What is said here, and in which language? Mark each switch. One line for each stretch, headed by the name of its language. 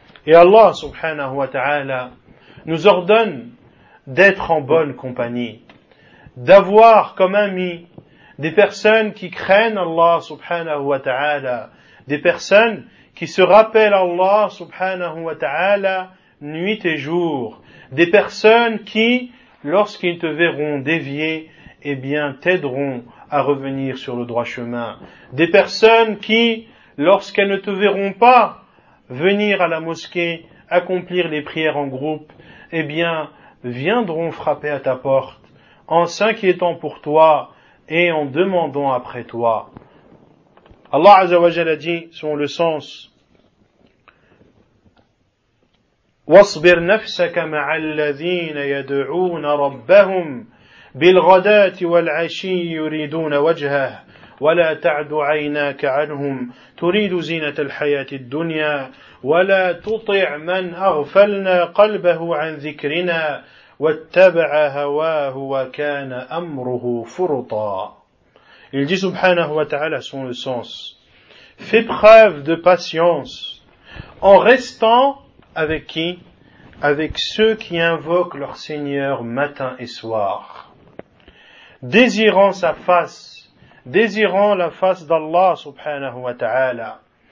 French: Et Allah subhanahu wa ta'ala nous ordonne d'être en bonne compagnie, d'avoir comme amis des personnes qui craignent Allah subhanahu wa ta'ala, des personnes qui se rappellent Allah subhanahu wa ta'ala nuit et jour, des personnes qui, lorsqu'ils te verront dévier, eh bien t'aideront à revenir sur le droit chemin, des personnes qui, lorsqu'elles ne te verront pas venir à la mosquée accomplir les prières en groupe, eh bien viendront frapper à ta porte en s'inquiétant pour toi et en demandant après toi.
Arabic: Allah Azza wa Jalla
French: a dit, selon le sens,
Arabic: وَاصْبِرْ نَفْسَكَ مَعَ الَّذِينَ يَدْعُونَ رَبَّهُمْ بِالْغَدَاتِ وَالْعَشِيِّ يُرِيدُونَ وَجْهَهُ وَلَا تَعْدُ عَيْنَاكَ عَنْهُمْ تُرِيدُ زِينَةَ الْحَيَاةِ الدُّنْيَا وَلَا تُطِعْ مَنْ أَغْفَلْنَا قَلْبَهُ عَنْ ذِكْرِنَا وَاتَّبَعَ هَوَاهُ وَكَانَ أَمْرُهُ فُرُطًا.
French: Il dit subhanahu wa ta'ala, son le sens, fais preuve de patience en restant avec qui? Avec ceux qui invoquent leur Seigneur matin et soir, désirant sa face, désirant la face d'Allah subhanahu wa ta'ala.